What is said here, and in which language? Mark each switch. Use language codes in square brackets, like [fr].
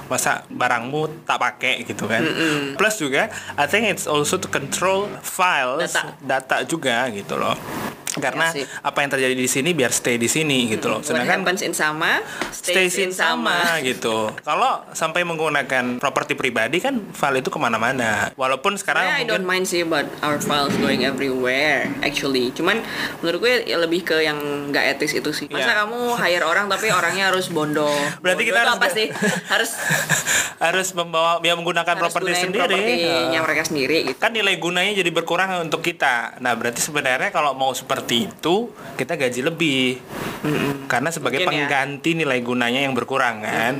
[id] Masa barangmu tak pakai gitu kan. Plus juga [en] I think it's also to control files, data [id] juga gitu loh. Karena ya apa yang terjadi di sini biar stay di sini gitu loh. Sedangkan happens in sama stay in sama gitu. Kalau sampai menggunakan properti pribadi kan file itu kemana-mana. Walaupun sekarang [en] I don't mind [id] sih [en] about our files going everywhere actually. [id] Cuman menurut gue lebih ke yang nggak etis itu sih. Masa kamu hire orang tapi orangnya harus bondo. Berarti kita harus apa sih? Harus harus membawa ya menggunakan properti sendiri. Yang mereka sendiri. Gitu. Kan nilai gunanya jadi berkurang untuk kita. Nah berarti sebenarnya kalau mau seperti itu kita gaji lebih karena sebagai mungkin pengganti ya nilai gunanya yang berkurang kan.